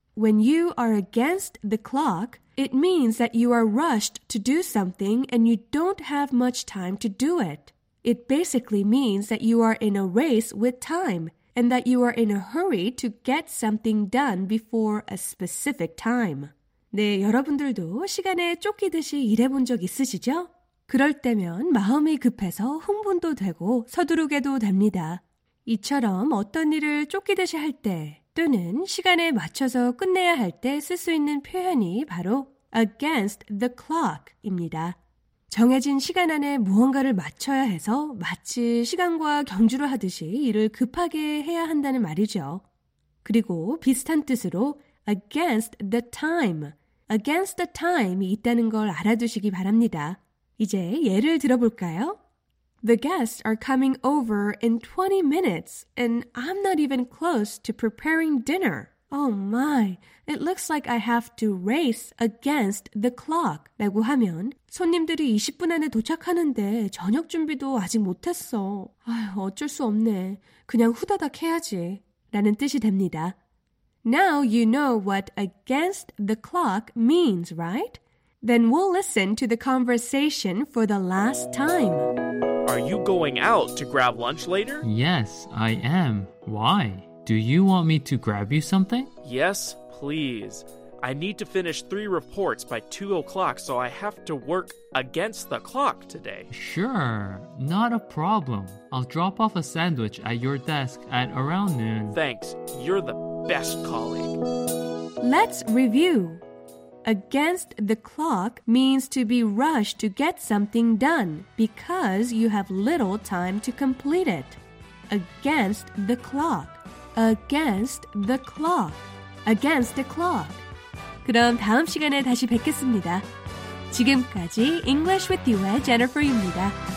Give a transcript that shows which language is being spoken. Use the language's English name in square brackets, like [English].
[English] When you are against the clock, it means that you are rushed to do something and you don't have much time to do it. It basically means that you are in a race with time and that you are in a hurry to get something done before a specific time. [Korean] 네, 여러분들도 시간에 쫓기듯이 일해본 적 있으시죠? 그럴 때면 마음이 급해서 흥분도 되고 서두르게도 됩니다. 이처럼 어떤 일을 쫓기듯이 할 때 또는 시간에 맞춰서 끝내야 할 때 쓸 수 있는 표현이 바로 against the clock입니다. 정해진 시간 안에 무언가를 맞춰야 해서 마치 시간과 경주를 하듯이 일을 급하게 해야 한다는 말이죠. 그리고 비슷한 뜻으로 against the time, against the time이 있다는 걸 알아두시기 바랍니다. 이제 예를 들어볼까요? [English] The guests are coming over in 20 minutes, and I'm not even close to preparing dinner. Oh my, it looks like I have to race against the clock. [Korean] 라고 하면, 손님들이 20분 안에 도착하는데 저녁 준비도 아직 못했어. 아휴, 어쩔 수 없네. 그냥 후다닥 해야지. 라는 뜻이 됩니다. [English] Now you know what against the clock means, right? Then we'll listen to the conversation for the last time. Are you going out to grab lunch later? Yes, I am. Why? Do you want me to grab you something? Yes, please. I need to finish 3 reports by 2 o'clock, so I have to work against the clock today. Sure, not a problem. I'll drop off a sandwich at your desk at around noon. Thanks. You're the best colleague. Let's review. Against the clock means to be rushed to get something done because you have little time to complete it. Against the clock. Against the clock. Against the clock. [Korean] 그럼 다음 시간에 다시 뵙겠습니다. 지금까지 English with you의 Jennifer입니다.